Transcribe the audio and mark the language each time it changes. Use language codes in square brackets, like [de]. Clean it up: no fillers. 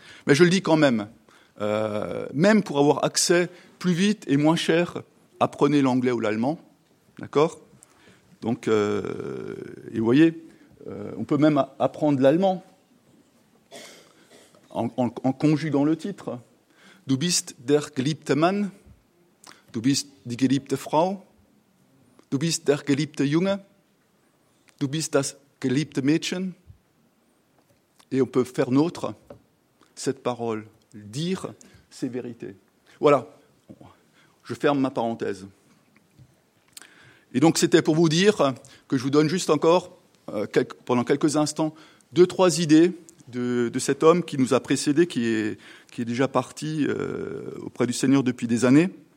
[fr] Mais je le dis quand même, même pour avoir accès plus vite et moins cher, apprenez l'anglais ou l'allemand. D'accord ? Donc, et vous voyez, on peut même apprendre l'allemand en conjuguant le titre. [de] Du bist der geliebte Mann, du bist die geliebte Frau, du bist der geliebte Junge, du bist das geliebte Mädchen. [fr] Et on peut faire nôtre cette parole, dire ces vérités. Voilà, je ferme ma parenthèse. Et donc, c'était pour vous dire que je vous donne juste encore, pendant quelques instants, deux, trois idées de cet homme qui nous a précédés, qui est déjà parti auprès du Seigneur depuis des années.